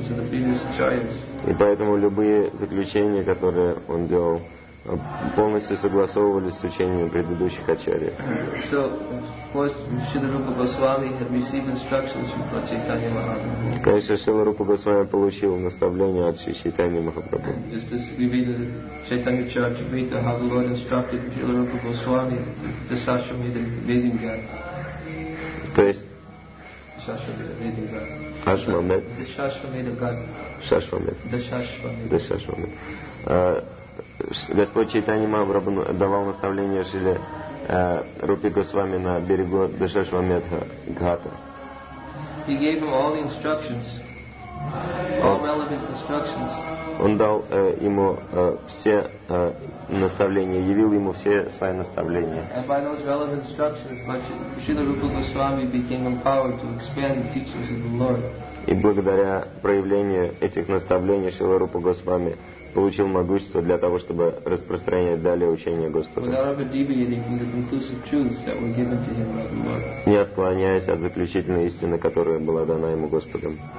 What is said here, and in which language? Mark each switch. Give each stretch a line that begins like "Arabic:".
Russian: И поэтому любые заключения, которые он делал, полностью согласовывались с учением предыдущих ачарьев.
English: So, of course, Srila Rupa Goswami had received instructions from Lord Chaitanya Mahaprabhu.
Russian: Конечно, Шрила Рупа Госвами получил наставление от Чайтаньи Махапрабху.
English: Just as we read in Chaitanya Charitamrita, how the Lord instructed Srila Rupa Goswami to Sashvamedha Vedanga.
Russian: То есть
English: Sashvamedha Vedanga.
Russian: Господь Чайтанья Махапрабху давал наставление Шриле Рупе Госвами на берегу Дашашваметха Гхата.
English: He gave him all the instructions, all relevant instructions.
Russian: Он дал ему все наставления, явил ему все свои наставления.
English: And by those relevant instructions, Шрила Рупа Госвами became empowered to expand the teachings of the Lord.
Russian: И благодаря проявлению этих наставлений Шрила Рупа Госвами получил могущество для того, чтобы распространять далее учение Господа, не отклоняясь от заключительной истины, которая была дана ему Господом.